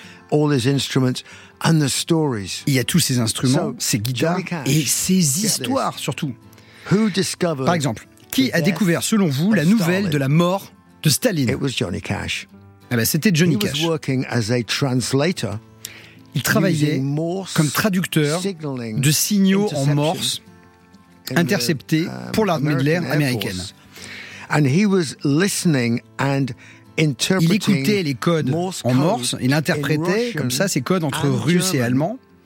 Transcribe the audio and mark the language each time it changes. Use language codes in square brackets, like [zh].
[en] All his instruments and the stories. [fr] Il y a tous ces instruments, ces guitares et ces histoires surtout. Par exemple, qui a découvert, selon vous, la nouvelle de la mort de Staline? [en] It was Johnny Cash. [fr] Ah ben, c'était Johnny Cash. [en] He was working as a translator. [fr] Il travaillait comme traducteur de signaux en Morse interceptés pour l'armée de l'air américaine. [en] And he was listening and interpreting. [fr] Il écoutait les codes en Morse. Il interprétait comme ça ces codes entre russe et allemand.